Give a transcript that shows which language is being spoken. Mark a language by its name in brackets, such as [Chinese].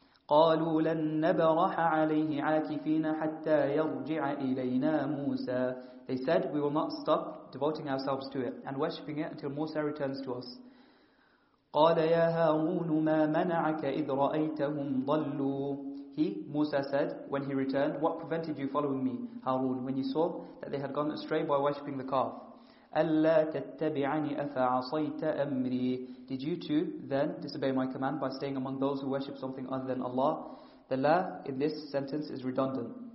[Arabic] قالوا لن نبرح عليه عاكفين حتى يرجع إلينا موسى. [English] They said, we will not stop devoting ourselves to it and worshipping it until Musa returns to us. [Arabic] قال يا هارون ما منعك إذ رأيتهم ضلوا. [English] He, Musa, said when he returned, what prevented you following me, Harun, when you saw that they had gone astray by worshipping the calf? [Arabic] أَلَّا تَتَّبِعَنِي أَفَعَصَيْتَ أَمْرِي. [English] Did you too then disobey my command by staying among those who worship something other than Allah? The la in this sentence is redundant.